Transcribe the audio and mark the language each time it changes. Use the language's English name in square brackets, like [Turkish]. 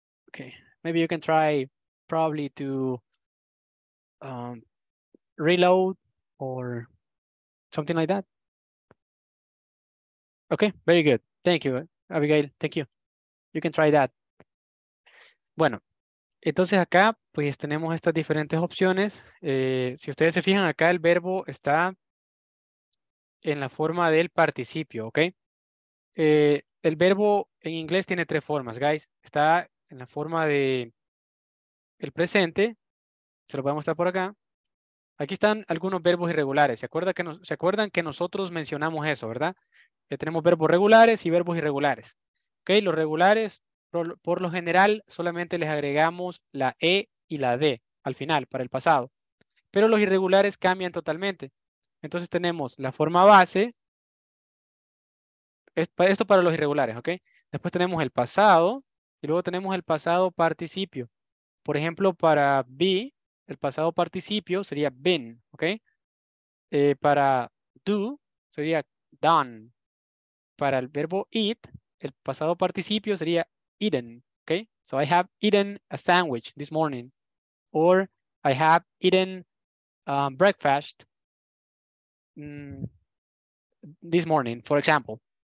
[English] Okay, maybe you can try probably to reload or something like that. Okay, very good. Thank you, Abigail, thank you. You can try that. [Spanish] Bueno, Entonces acá, pues tenemos estas diferentes opciones. Si ustedes se fijan acá, el verbo está en la forma del participio, ¿ok? El verbo en inglés tiene tres formas, guys. Está en la forma de el presente. Se lo voy a mostrar por acá. Aquí están algunos verbos irregulares. ¿Se acuerdan que nosotros mencionamos eso, verdad? Que tenemos verbos regulares y verbos irregulares. ¿Ok? Los regulares, por lo general, solamente les agregamos la E y la D al final, para el pasado. Pero los irregulares cambian totalmente. Entonces tenemos la forma base. Esto para los irregulares, ¿ok? Después tenemos el pasado. Y luego tenemos el pasado participio. Por ejemplo, para be, el pasado participio sería been, ¿ok? Para do, sería done. Para el verbo eat, el pasado participio sería eaten, ¿ok? [English] So I have eaten a sandwich this morning. Or I have eaten breakfast this morning, for example.